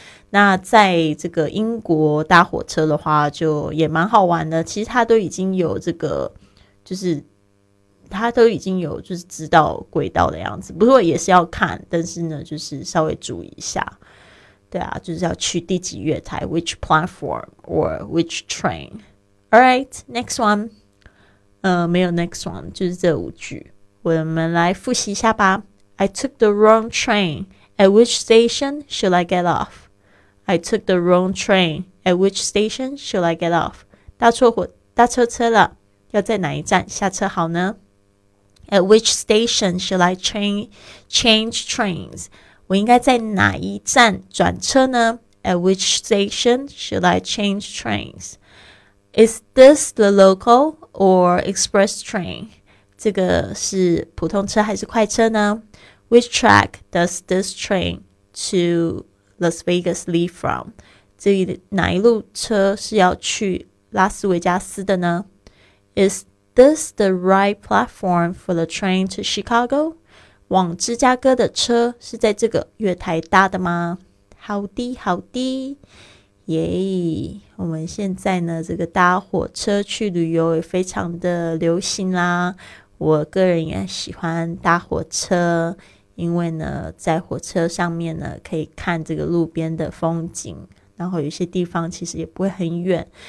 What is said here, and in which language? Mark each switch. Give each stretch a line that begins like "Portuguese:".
Chinese: 那在这个英国搭火车的话就也蛮好玩的，其实他都已经有这个就是他都已经有就是知道轨道的样子，不过也是要看，但是呢就是稍微注意一下，对啊，就是要去第几月台，
English: which platform or which train. Alright, next one.
Chinese: 没有 next one， 就是这五句。我们来复习一下吧。
English: I took the wrong train. At which station should I get off? I took the wrong train. At which station should I get off?
Chinese: 搭错车了，要在哪一站下车好呢？
English: At which station should I change trains?
Chinese: 我应该在哪一站转车呢？
English: At which station should I change trains? Is this the local or express train?
Chinese: 这个是普通车还是快车呢？
English: Which track does this train to Las Vegas leave from?
Chinese: 这里哪一路车是要去拉斯维加斯的呢？
English: Is this the right platform for the train to Chicago?
Chinese: 往芝加哥的车是在这个月台搭的吗？好的，好的，耶、yeah, ！我们现在呢，这个搭火车去旅游也非常的流行啦。我个人也喜欢搭火车，因为呢，在火车上面呢，可以看这个路边的风景，然后有些地方其实也不会很远。